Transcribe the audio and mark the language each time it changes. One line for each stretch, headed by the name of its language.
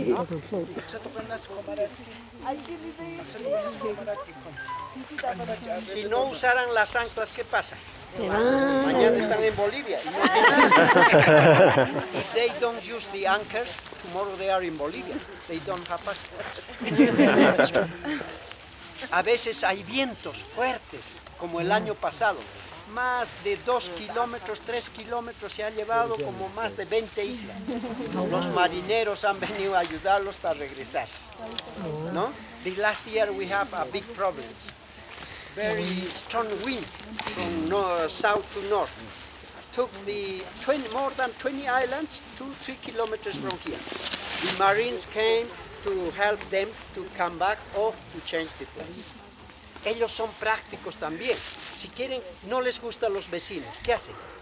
Spanish: ¿No? Si no usaran las anclas, ¿qué pasa? Mañana están en Bolivia.
English: If they don't use the anchors, tomorrow they are in Bolivia. They don't have passports.
Spanish: A veces hay vientos fuertes, como el año pasado. Más de 2 kilómetros, 3 kilómetros se ha llevado como más de 20 islas. Los marineros han venido a ayudarlos para regresar, ¿no?
English: The last year we have a big problem. Very strong wind from south to north. Took the more than 20 islands 2-3 kilometers from here. The marines came to help them to come back or to change the place.
Spanish: Ellos son prácticos también. Si quieren, no les gustan los vecinos, ¿qué hacen?